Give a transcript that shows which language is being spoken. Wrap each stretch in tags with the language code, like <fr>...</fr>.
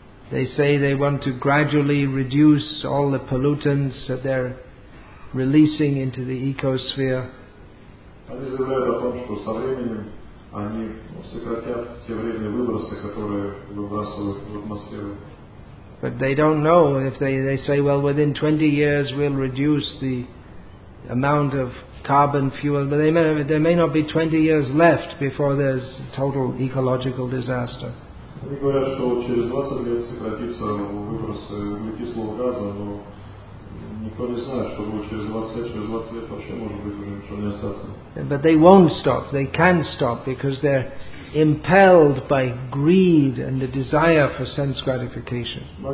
<en>They say they want to gradually reduce all the pollutants that they're releasing into the ecosphere.</en> <ru>Они сократят те вредные выбросы, которые выбрасывают в атмосферу.</ru> <en>But they don't know if they say, well, within 20 years we'll reduce the amount of carbon fuel. But there may not be 20 years left before there's total ecological disaster.</en> <ru>Они говорят, что через 20 лет сократится выбросы углекислого газа, но никто не знает, что будет через 20 лет вообще может быть уже ничего не остаться.</ru> <en>But they won't stop. They can't stop because they're impelled by greed and the desire for sense gratification.</en>